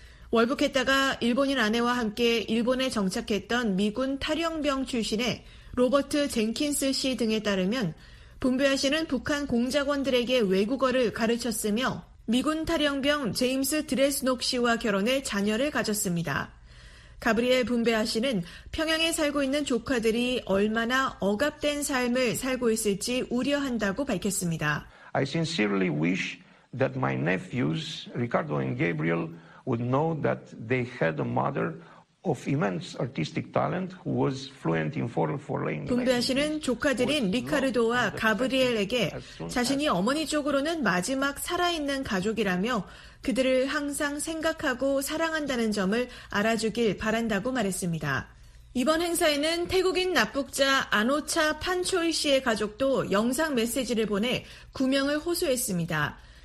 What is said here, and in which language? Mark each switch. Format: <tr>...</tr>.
<ko>월북했다가 일본인 아내와 함께 일본에 정착했던 미군 탈영병 출신의 로버트 젠킨스 씨 등에 따르면 붐베아 씨는 북한 공작원들에게 외국어를 가르쳤으며 미군 탈영병 제임스 드레스녹 씨와 결혼해 자녀를 가졌습니다. 가브리엘 붐베아 씨는 평양에 살고 있는 조카들이 얼마나 억압된 삶을 살고 있을지 우려한다고 밝혔습니다.</ko> <en>I sincerely wish that my nephews, Ricardo and Gabriel, would know that they had a mother of immense artistic talent who was fluent in four foreign languages.</en> <ko>붐베아 씨는 조카들인 리카르도와 가브리엘에게 자신이 어머니 쪽으로는 마지막 살아있는 가족이라며 그들을 항상 생각하고 사랑한다는 점을 알아주길 바란다고 말했습니다. 이번 행사에는 태국인 납북자 아노차 판초이 씨의 가족도 영상 메시지를 보내 구명을 호소했습니다.</ko>